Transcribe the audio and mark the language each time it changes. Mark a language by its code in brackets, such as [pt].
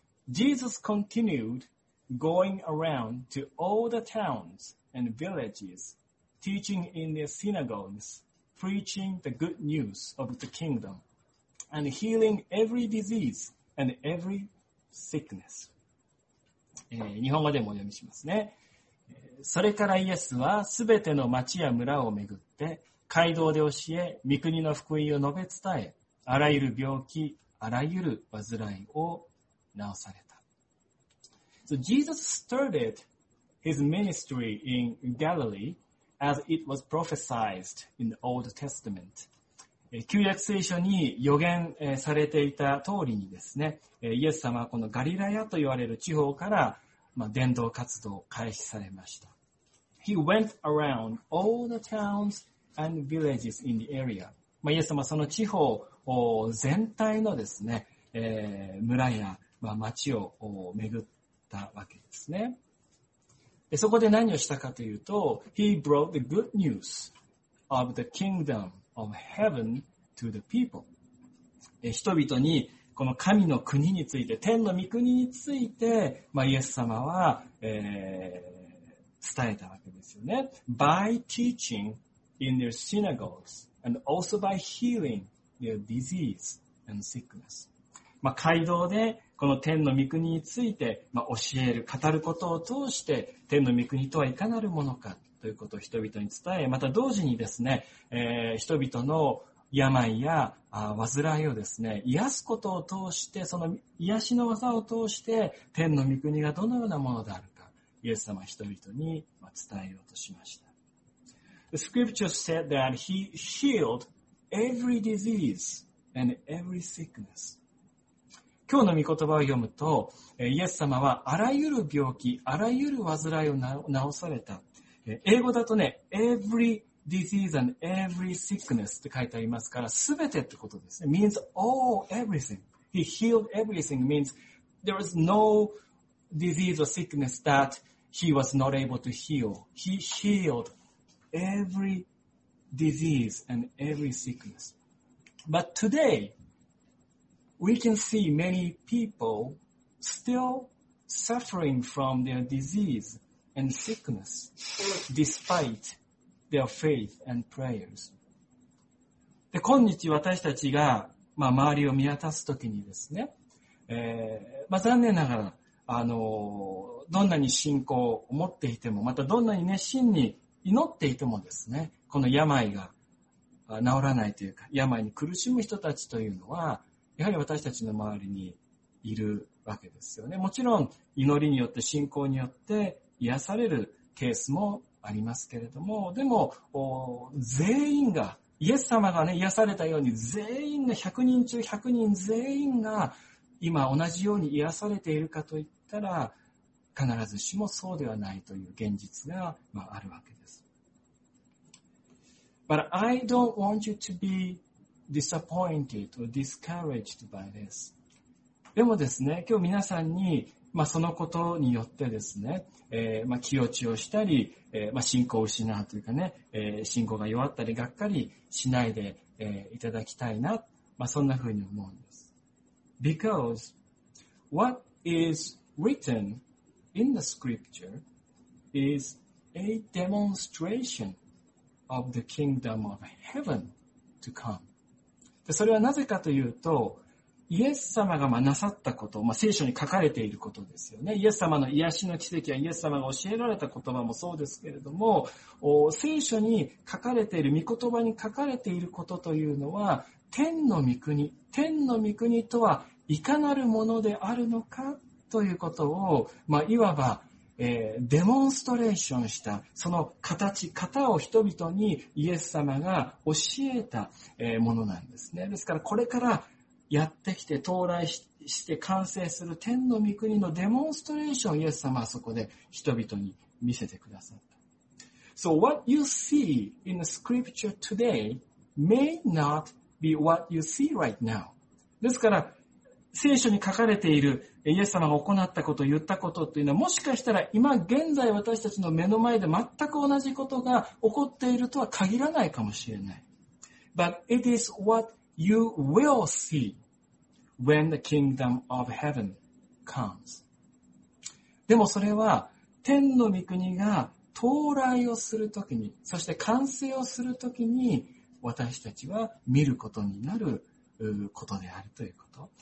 [en] Jesus continued going around to all the towns and villages, teaching in their synagogues, preaching the good news of the kingdom, and healing every disease and every sickness. [ja] 日本語でも読みしますね。それからイエスはすべての町や村をめぐって街道で教え、御国の福音を述べ伝え、あらゆる病気、あらゆる患いを治された。 [en] So Jesus started his ministry in Galilee as it was prophesied in the Old Testament. [ja] 旧約聖書に予言されていた通りにですね、イエス様はこのガリラヤと言われる地方から伝道活動を開始されました。 [en] He went around all the towns and villages in the area. [ja] まあ、イエス様はその地方全体のですね、村や、まあ、町を巡ったわけですね。で、そこで何をしたかというと、 [en] He brought the good news of the kingdom of heaven to the people. [ja] 人々にこの神の国について、天の御国について、まあ、イエス様は、伝えたわけですよね。 [en] By teaching in their synagogues and also by healing their disease and sickness. [ja] まあ、街道でこの天の御国について、まあ、教える、語ることを通して、天の御国とはいかなるものかということを人々に伝え、また同時にですね、人々の病や患いをですね、癒すことを通して、その癒しの技を通して、天の御国がどのようなものであるか、イエス様は人々に伝えようとしました。 [en] The scripture said that he healed every disease and every sickness. [ja] 今日の御言葉を読むと、イエス様はあらゆる病気、あらゆる患いを治された。英語だとね、 [en] everydisease and every sickness [ja] って書いてありますから、すべてってことですね。 [en] means all, everything. He healed everything means there was no disease or sickness that he was not able to heal. He healed every disease and every sickness. But today, we can see many people still suffering from their disease and sickness despite their faith and prayers. [ja] で、今日私たちが、まあ、周りを見渡すときにですね、まあ、残念ながら、どんなに信仰を持っていても、またどんなに熱心に祈っていてもですね、この病が治らないというか、病に苦しむ人たちというのは、やはり私たちの周りにいるわけですよね。もちろん、祈りによって、信仰によって癒されるケースもありますけれども、でも、全員が、イエス様がね、癒されたように、全員が、100人中100人全員が、今同じように癒されているかといったら、必ずしもそうではないという現実が、まあ、あるわけです。 [en] But I don't want you to be disappointed or discouraged by this. [ja] でもですね、今日皆さんに、まあ、そのことによってですね、まあ、気落ちをしたり、まあ、信仰を失うというかね、信仰が弱ったり、がっかりしないで、いただきたいな、まあ、そんなふうに思うんです。 [en] Because what is written in the scripture is a demonstration of the kingdom of heaven to come. [ja] で、それはなぜかというと、イエス様がまあなさったこと、まあ、聖書に書かれていることですよね。イエス様の癒しの奇跡やイエス様が教えられた言葉もそうですけれども、聖書に書かれている、御言葉に書かれていることというのは、天の御国、天の御国とはいかなるものであるのかということを、まあ、いわば、デモンストレーションした、その形、型を人々にイエス様が教えたものなんですね。ですからこれからやってきて到来して完成する天の御国のデモンストレーションをイエス様はそこで人々に見せてくださった。 [en] So what you see in the scripture today may not be what you see right now. [ja] ですから聖書に書かれているイエス様が行ったこと、言ったことというのはもしかしたら今現在私たちの目の前で全く同じことが起こっているとは限らないかもしれない。 [en] But it is whatYou will see when the kingdom of heaven comes. [ja] でもそれは天の御国が到来をするときに、そして完成をするときに私たちは見ることになることであるということ。